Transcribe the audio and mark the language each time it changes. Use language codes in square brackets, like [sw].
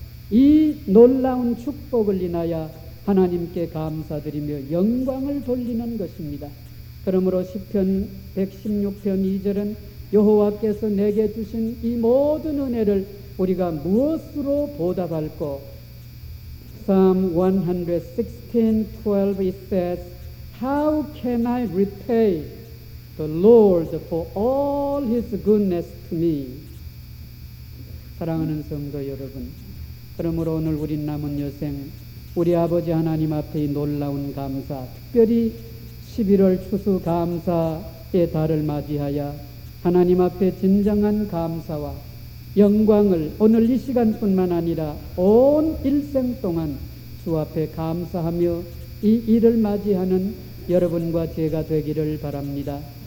[ko] 이 놀라운 축복을 인하여 하나님께 감사드리며 영광을 돌리는 것입니다. 그러므로 시편 116편 2절은 여호와께서 내게 주신 이 모든 은혜를 우리가 무엇으로 보답할꼬? [en] Psalm 116:12 it says, How can I repay the Lord for all his goodness to me? [ko] 사랑하는 성도 여러분, 그러므로 오늘 우리 남은 여생 우리 아버지 하나님 앞에 이 놀라운 감사, 특별히 11월 추수 감사의 달을 맞이하여 하나님 앞에 진정한 감사와 영광을 오늘 이 시간뿐만 아니라 온 일생 동안 주 앞에 감사하며 이 일을 맞이하는 여러분과 제가 되기를 바랍니다.